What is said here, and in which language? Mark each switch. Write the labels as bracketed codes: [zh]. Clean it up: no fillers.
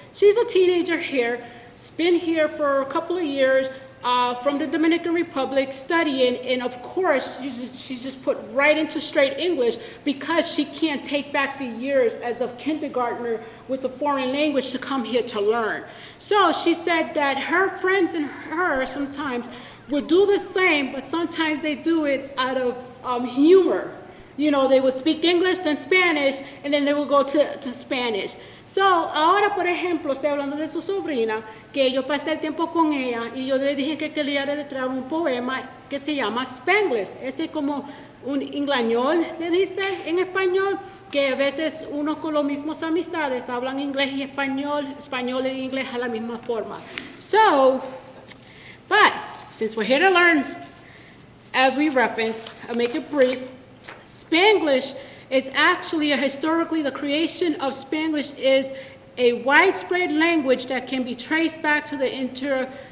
[en] She's a teenager here, been here for a couple of years, from the Dominican Republic, studying, and of course, she just put right into straight English because she can't take back the years as a kindergartner with a foreign language to come here to learn. So she said that her friends and her sometimes would do the same, but sometimes they do it out of humor. You know, they would speak English, then Spanish, and then they would go to Spanish. [es] So, ahora, por ejemplo, estoy hablando de su sobrina, que yo pasé el tiempo con ella, y yo le dije que quería traer un poema que se llama Spanglish. Ese es como un inglañol, le dice en español, que a veces uno con los mismos amistades hablan inglés y español, español e inglés a la misma forma. [en] So, but since we're here to learn, as we reference, I'll make it brief, Spanglish is actually a historically, the creation of Spanglish is a widespread language that can be traced back to the